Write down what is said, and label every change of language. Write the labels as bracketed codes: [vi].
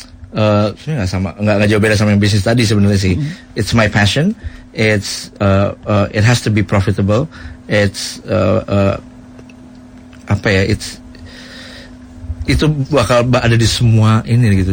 [id] Sebenarnya nggak sama, nggak jauh beda sama yang bisnis tadi sebenarnya sih. [en] Mm-hmm. It's my passion. It's it has to be profitable. [id] It's apa ya? It's itu bakal ada di semua ini gitu.